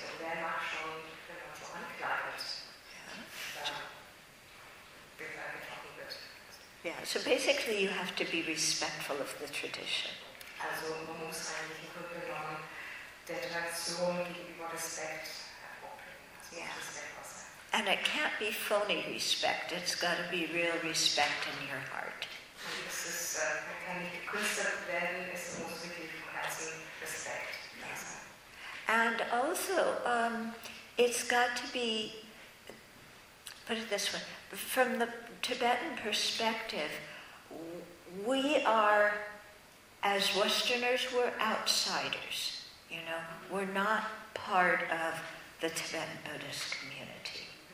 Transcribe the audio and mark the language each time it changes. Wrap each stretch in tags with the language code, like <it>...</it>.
<de>Und wer mag schon, wenn man so anklagend begangen wird?</de> <en>Ja, so basically you have to be respectful of the tradition.</en> <de>Also man muss eigentlich im Grunde genommen der Tradition gegenüber Respekt aufbringen.</de> <en>Yeah. And it can't be phony respect. It's got to be real respect in your heart.</en> <de>Und es ist, man kann nicht gekünstelt werden, es muss wirklich von Herzen Respekt sein.</de> <en>And also, it's got to be, put it this way, from the Tibetan perspective, we are, as Westerners, we're outsiders, you know. We're not part of the Tibetan Buddhist community.</en>